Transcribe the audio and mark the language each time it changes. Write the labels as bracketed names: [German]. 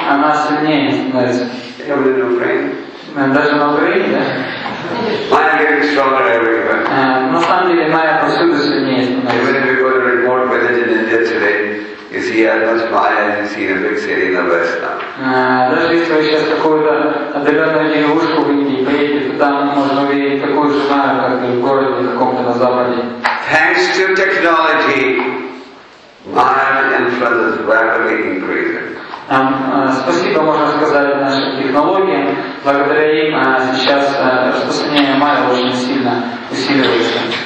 [Russian] Она сильнее становится. Даже на Украине, да? [English] Getting stronger everywhere. [Russian] На самом деле, Майя повсюду сильнее. [English] Even if you go to a remote village in India today, you see as much Maya as you see in a big city in the West now. [Russian] Даже если вы сейчас какую-то отдаленную девушку увидите, приедете, то там можно увидеть такую же Майю, как и в городе каком-то на Западе. [English] Thanks to technology, Maya influence is rapidly increasing. [Russian] Спасибо, можно сказать, нашим технологиям. Благодаря им сейчас распространение Майя очень сильно усиливается.